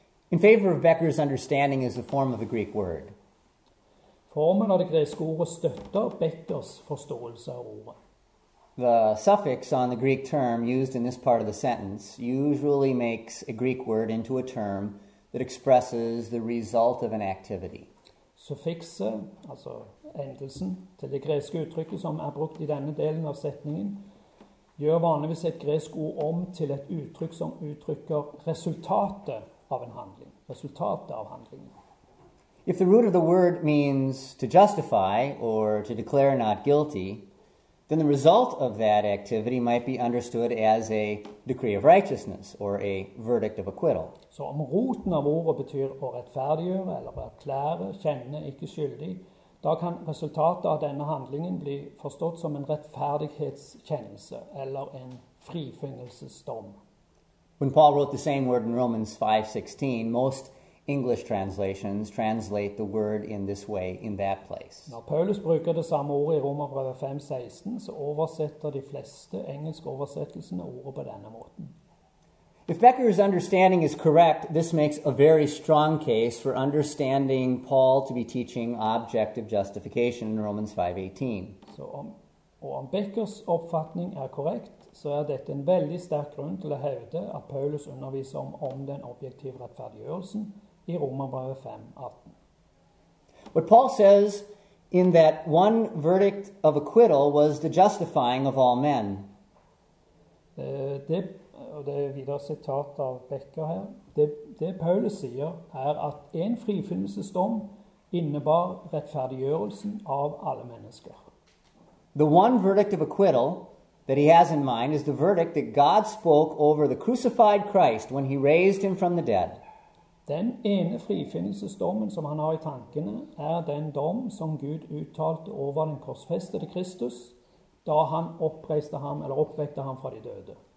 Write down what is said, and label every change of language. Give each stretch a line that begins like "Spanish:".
English: In favor of Becker's understanding is the form of the Greek word.
Norwegian: Formen av det greske ordet støtter Beckers forståelse av ordet.
English: The suffix on the Greek term used in this part of the sentence usually makes a Greek word into a term that expresses the result of an activity.
Norwegian: Suffixet, altså endelsen, til det greske uttrykket som brukt i denne delen av setningen, gjør vanligvis et gresk ord om til et uttrykk som uttrykker resultatet av en handling. Resultatet av handlingen.
English: If the root of the word means to justify or to declare not guilty, then the result of that activity might be understood as a decree of righteousness or a verdict of acquittal.
Norwegian: Så om roten av ordet betyr å rettferdiggjøre eller erklære, kjenne, ikke skyldig, da kan resultatet av denne handlingen bli forstått som en rettferdighetskjennelse eller en frifinnelsesdom.
English: When Paul wrote the same word in Romans 5:16, most English translations translate the word in this way in that place.
Norwegian: Når Paulus bruker det samme ordet i Romerbrevet 5:16, så oversetter de fleste engelske oversettelsene ordet på denne måten.
English: If Becker's understanding is correct, this makes a very strong case for understanding Paul to be teaching objective justification in Romans 5:18.
Norwegian: Så om Beckers oppfatning er korrekt, så er dette en veldig sterk grunn til å hevde at Paulus underviser om den objektive rettferdiggjørelsen i Romerbrevet 5:18.
English: What Paul says in that one verdict of acquittal was the justifying of all men.
Norwegian: Og det er videre sitat av Becker her. Det Paulus sier er at en frifinnelsesdom innebar rettferdiggjørelsen av alle mennesker.
English: The one verdict of acquittal that he has in mind is the verdict that God spoke over the crucified Christ when he raised him from the dead.
Norwegian: Den ene frifinnelsesdommen som han har i tankene er den dom som Gud uttalte over den korsfestede Kristus da han oppreiste ham eller oppvekte ham fra de døde.